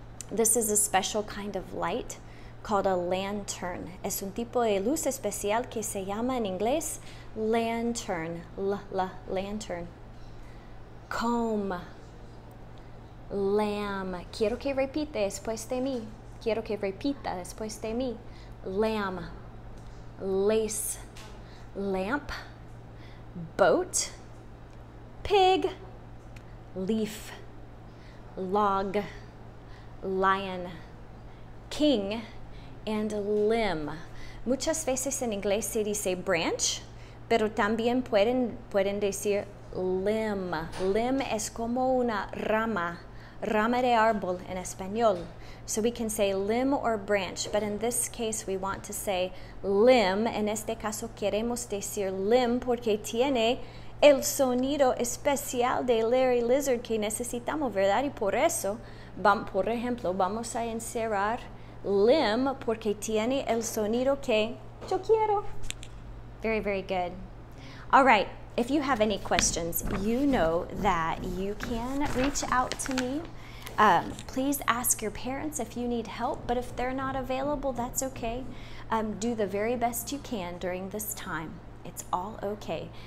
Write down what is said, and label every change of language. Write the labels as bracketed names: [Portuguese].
[English] This is a special kind of light called a lantern. [Spanish] Es un tipo de luz especial que se llama en inglés lantern, lantern. [English] Comb, lamb. [Spanish] Quiero que repita después de mí. Quiero que repita después de mí. [English] Lamb, lace, lamp, boat, pig, leaf, log, lion, king, and limb. [Spanish] Muchas veces en inglés se dice branch, pero también pueden decir limb. Limb es como una rama, rama de árbol en español. [English] So we can say limb or branch, but in this case we want to say limb. [Spanish] En este caso queremos decir limb porque tiene el sonido especial de Larry Lizard que necesitamos, ¿verdad? Y por eso, por ejemplo, vamos a encerrar limb porque tiene el sonido que yo quiero. [English] Very, very good. All right, if you have any questions, you know that you can reach out to me. Please ask your parents if you need help, but if they're not available, that's okay. Do the very best you can during this time. It's all okay.